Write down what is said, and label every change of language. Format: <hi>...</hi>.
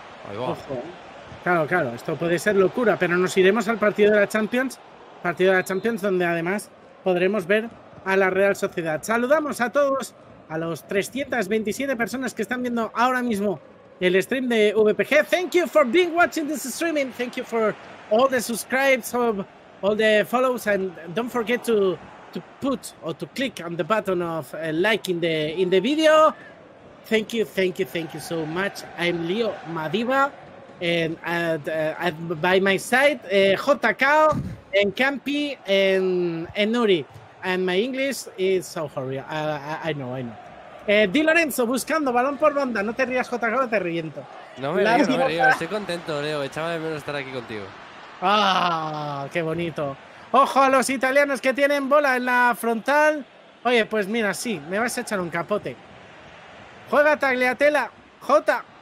<es>Ahí va. Ojo. Claro, claro, esto puede ser locura, pero nos iremos al partido de la Champions. Partido de la Champions donde además podremos ver a la Real Sociedad. Saludamos a todos, a los 327 personas que están viendo ahora mismo el stream de VPG.</es> <en>Thank you for being watching this streaming. Thank you for all the subscribes, all the follows, and don't forget to click on the button of like in the video. Thank you, thank you, thank you so much. I'm Leo Madiba, and by my side, JKO and Campi and Nuri. And my English is so horrible. I know.</en> <es>Di Lorenzo, buscando balón por banda. No te rías, JKO, te reviento. No me río. Estoy contento, Leo. Echaba de menos estar aquí contigo. Ah, qué bonito. ¡Ojo a los italianos que tienen bola en la frontal! Oye, pues mira, sí, me vas a echar un capote. ¡Juega Tagliatella! ¡Jota!</es>